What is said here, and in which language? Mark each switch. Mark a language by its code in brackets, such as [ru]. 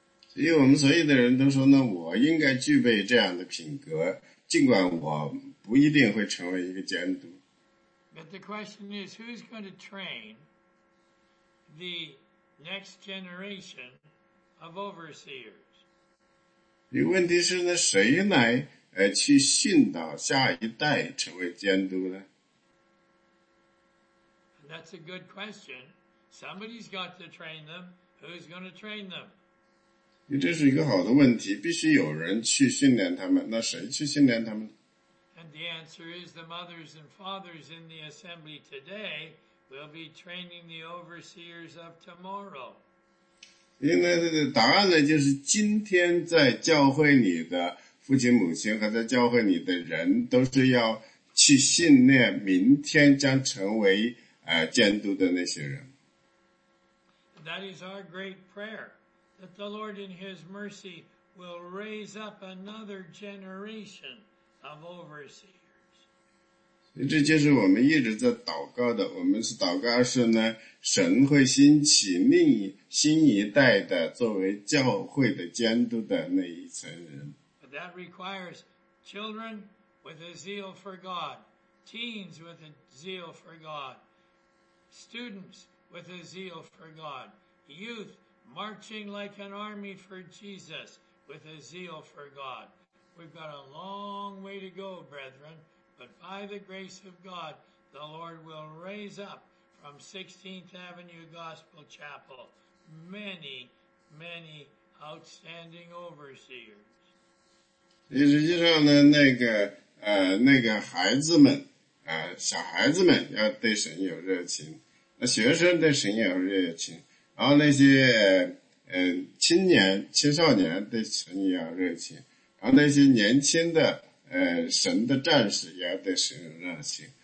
[zh] 所以我们所有的人都说呢，我应该具备这样的品格，尽管我不一定会成为一个监督。 [en] But the question is, who's going to train the next generation of overseers? [zh] 问题是呢，谁来去训导下一代成为监督呢？ [en] That's a good question. Somebody's got to train them. Who's going to train them? [zh] 这是一个好的问题，必须有人去训练他们。那谁去训练他们？ [en] And the answer is the mothers and fathers in the assembly today will be training the overseers of tomorrow. [zh] 因为答案呢，就是今天在教会里的父亲母亲和在教会里的人都是要去训练明天将成为监督的那些人。 [en] That is our great prayer, that the Lord in His mercy will raise up another generation of overseers. [zh] 这就是我们一直在祷告的，我们是祷告是呢，神会兴起另一新一代的作为教会的监督的那一层人。 [en] That requires children with a zeal for God, teens with a zeal for God, students with a zeal for God, youth marching like an army for Jesus with a zeal for God. We've got a long way to go, brethren, but by the grace of God, the Lord will raise up from 16th Avenue Gospel Chapel many, many outstanding overseers. [zh] 实际上呢，那个孩子们，小孩子们要对神有热情，那学生对神也有热情，然后那些青年、青少年对神也要热情，然后那些年轻的神的战士也要对神有热情。